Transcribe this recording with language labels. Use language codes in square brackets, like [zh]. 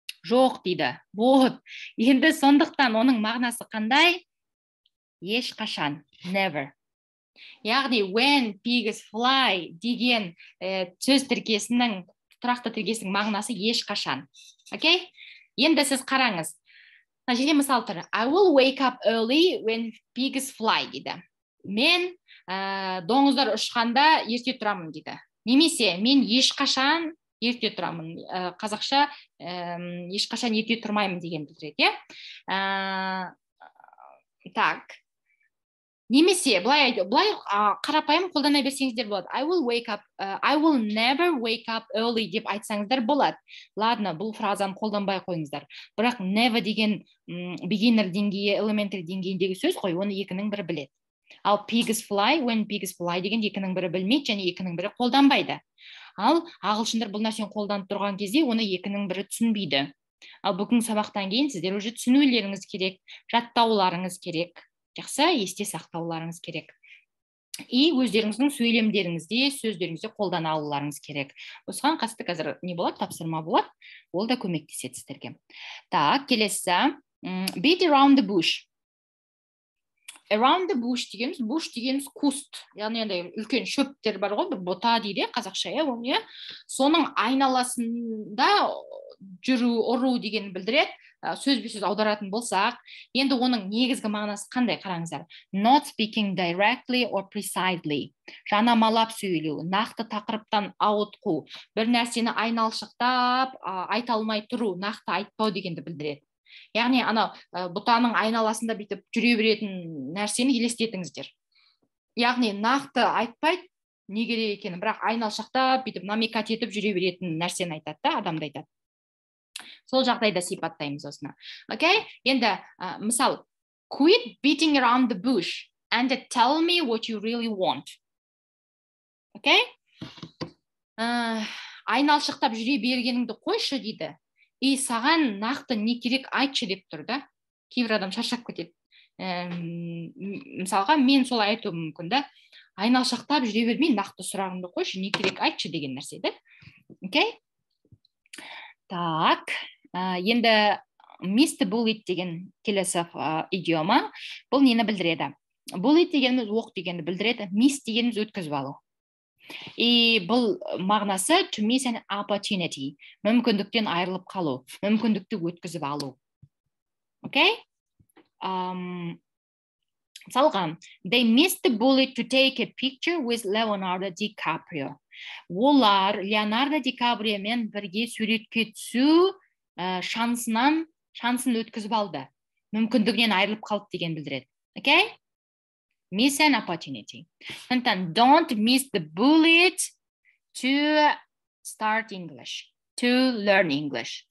[kk] Жоқ дейді. Вот. Енді сондықтан оның мағынасы қандай? Ешқашан. [en] Never. [kk] Яғни [en] when pigs fly [kk] деген сөз тіркесінің, тұрақты тіркесінің мағынасы ешқашан. Окей? Енді сіз қараңыз. Жерде мысал тұр. [en] I will wake up early when pigs fly [kk] дейді. Мен доңыздар ұшқанда ерте тұрамын дейді. Немесе мен ешқашан ерте тұрамын. Қазақша ешқашан ерте тұрмаймын деген білдіреді. Так. Немесе, былай қарапайым қолдана берсеңіздер болады. [en] I will never wake up early [kk] деп айтсаңыздар болады. Ладно, бұл фразаны қолданбай қойыңыздар. Бірақ never деген beginner деңгейі, elementary деңгейіндегі сөз қой, оны екінің бірі біледі. Ал [en] pigs fly, when pigs fly [kk] деген екінің бірі білмейді, және екінің бірі қолданбайды. Ал ағылшындар бұл нәрсені қолданып тұрған кезде, оны екінің бірі түсінбейді. Ал бүгін сабақтан кейін сіздер уже түсінулеріңіз керек, жаттауларыңыз керек. Жақсы, есте сақтауларыңыз керек. И өздеріңіздің сөйлемдеріңізде, сөздеріңізде қолдана алуларыңыз керек. Осыған қасты қазір не болады, тапсырма болады, ол да көмектеседі сіздерге. Так, келесі, [en] beat around the bush. [kk] Around the bush дегеніз, bush дегеніз куст. Яғни енді үлкен шөптер бар ғой, бота дейді қазақша, оны. Соның айналасында жүру, ұру деген білдіреді. Сөзбе-сөз аударатын болсақ, енді оның негізгі мағынасы қандай қараңыздар? [en] Not speaking directly or precisely. [kk] Жанамалап сөйлеу, нақты тақырыптан ауытқу, бір нәрсені айналшықтап, айта алмай тұру, нақты айтпау дегенді білдіреді. Яғни ана бұтаның айналасында бүйтіп жүре беретін нәрсені елестетіңіздер. Яғни нақты айтпай не керек екенін, бірақ айналшықтап, бүйтіп намекат етіп жүре беретін нәрсені айтады, адамды айтады. Сол жағдайда сипаттаймыз осына. Окей? Енді, мысал, [en] quit beating around the bush and tell me what you really want. [kk] Окей? Айналшықтап жүре бергеніңді қойшы дейді. И саған нақты не керек айтшы деп тұрды. Кейбір адам шаршап кетеді. Мысалға, мен солай айтуым мүмкін де. Айналшықтап жүре бермей нақты сұрағыңды қойшы, не керек айтшы деген нәрсе де. Окей? Так, енді [en] miss the bullet [kk] деген келесі идиома, бұл нені білдіреді? Bullet дегеніміз оқ дегенді білдіреді, miss дегеніміз өткізіп алу. И бұл мағынасы [en] to miss an opportunity, [kk] мүмкіндіктен айырылып қалу, мүмкіндікті өткізіп алу. Окей? Салған, [en] they missed the bullet to take a picture with Leonardo DiCaprio. [kk] Олар Леонардо Ди Кабриомен бірге суретке түсу шансын өткізіп алды. Мүмкіндігінен айырылып қалды деген білдіреді. Окей? [en] Miss an opportunity. [kk] Сонтан, [en] don't miss the bullet to start English, to learn English.